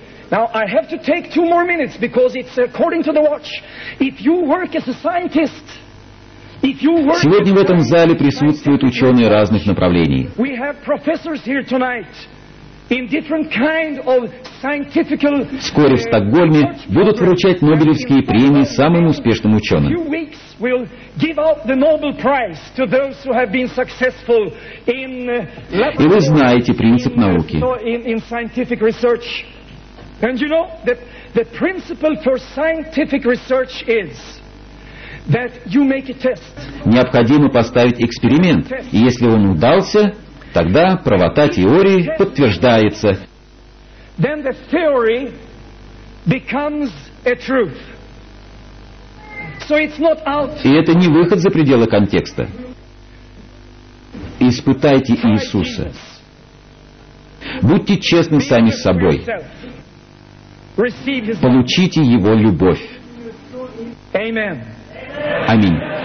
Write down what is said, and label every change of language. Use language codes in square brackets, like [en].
[en] Now I have to take 2 more minutes, because it's according to the watch. If you work as a scientist. [ru] Сегодня в этом зале присутствуют ученые разных направлений. [en] We have professors here tonight. In different kind of scientific. [ru] Вскоре в Стокгольме будут вручать Нобелевские премии самым успешным ученым. [en] We'll give out the Nobel Prize to those who have been successful in. [ru] И вы знаете принцип науки. [en] In scientific research, and you know that the principle for scientific research is that you make a test. [ru] Необходимо поставить эксперимент, и если он удался, тогда правота теории подтверждается. [en] Then the theory becomes a truth. [ru] И это не выход за пределы контекста. Испытайте Иисуса. Будьте честны сами с собой. Получите Его любовь. Аминь.